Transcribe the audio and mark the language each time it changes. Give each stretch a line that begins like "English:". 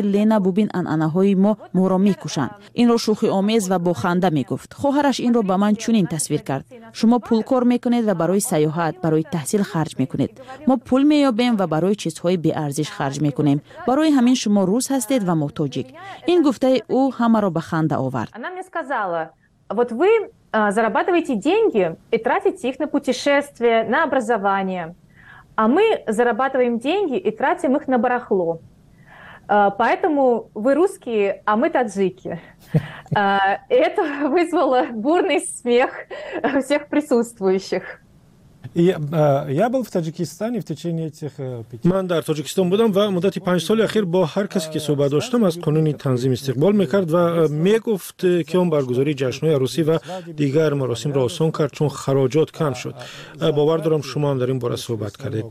Persian: که لینا ببین انعنه‌های ما مورا میکوشند. این را شوخی آمیز و با خنده میگفت. خواهرش این را به من چنین تصویر کرد. شما پول کار میکنید و برای سیاحت، برای تحصیل خرج میکنید. ما پول مییابیم و برای چیزهای بی ارزش خرج میکنیم. برای همین شما روس هستید و ما تاجیک. این گفته او همه را به خنده آورد.
Russian: Она мне сказала: "Вот вы зарабатываете деньги и тратите их на путешествия, на образование. А мы зарабатываем деньги и тратим их на барахло. Поэтому вы русские, а мы таджики". Это вызвало бурный смех всех присутствующих. Я был в Таджикистане в течение этих 5 лет.
Tajik: Ман дар Таджикистан будам ва муддати 5 соли ахир бо ҳар касе ки суҳбат доштам аз қонуни танзим истиқбол мекард ва мегуфт ки он баргузори ҷашнҳои арусӣ ва дигар маросимро осон кард чун хароҷот кам шуд. Бовар дорам шумо ҳам дар ин бора суҳбат кардед.